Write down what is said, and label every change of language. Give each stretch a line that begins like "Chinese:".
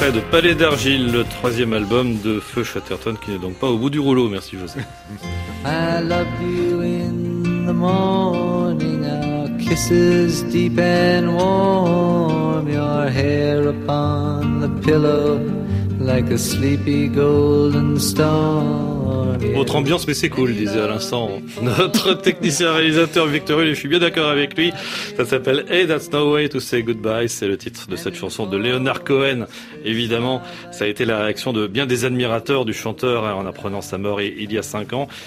French: Palais d'Argile, le troisième album de Feu Chatterton qui n'est donc pas au bout du rouleau. Merci José.
English: I love you in the morning, our kisses deep and warm, your hair upon the pillow like a sleepy golden star.
French: Autre ambiance, mais c'est cool, disait à l'instant notre technicien réalisateur Victor Hull, et je suis bien d'accord avec lui. Ça s'appelle Hey, That's No Way to Say Goodbye. C'est le titre de cette chanson de Leonard Cohen. Évidemment, ça a été la réaction de bien des admirateurs du chanteur en apprenant sa mort il y a 5 ans.